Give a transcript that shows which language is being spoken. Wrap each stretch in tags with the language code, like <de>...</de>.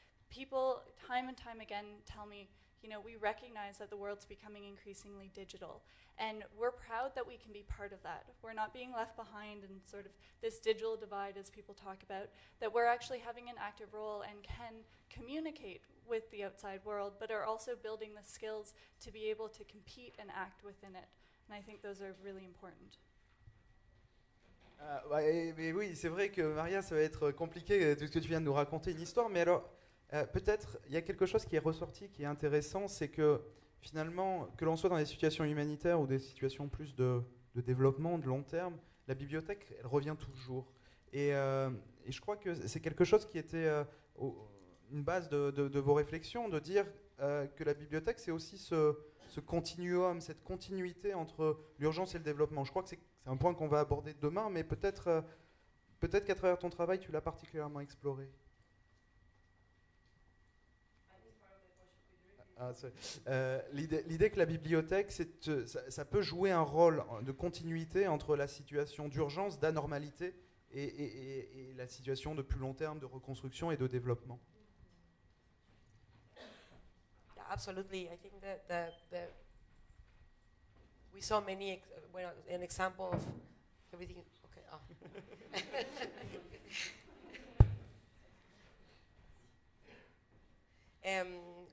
<en>People time and time again tell me, you know, we recognize that the world's becoming increasingly digital, and we're proud that we can be part of that. We're not being left behind in sort of this digital divide, as people talk about, that we're actually having an active role and can communicate with the outside world, but are also building the skills to be able to compete and act within it. And I think those are really important.</en> <fr>Mais oui, c'est vrai que Maria, ça va être compliqué tout ce que tu viens de nous raconter une histoire, mais alors. Peut-être il y a quelque chose qui est ressorti, qui est intéressant, c'est que finalement, que l'on soit dans des situations humanitaires ou des situations plus de développement, de long terme, la bibliothèque, elle revient toujours. Et je crois que c'est quelque chose qui était une base de vos réflexions, de dire que la bibliothèque, c'est aussi ce continuum, cette continuité entre l'urgence et le développement. Je crois que c'est un point qu'on va aborder demain, mais peut-être qu'à travers ton travail, tu l'as particulièrement exploré. L'idée que la bibliothèque, ça peut jouer un rôle de continuité entre la situation d'urgence, d'anormalité, et la situation de plus long terme de reconstruction et de développement.</fr> <en>Yeah, absolutely. I think that the we saw many an example of everything. Okay. Oh.</en>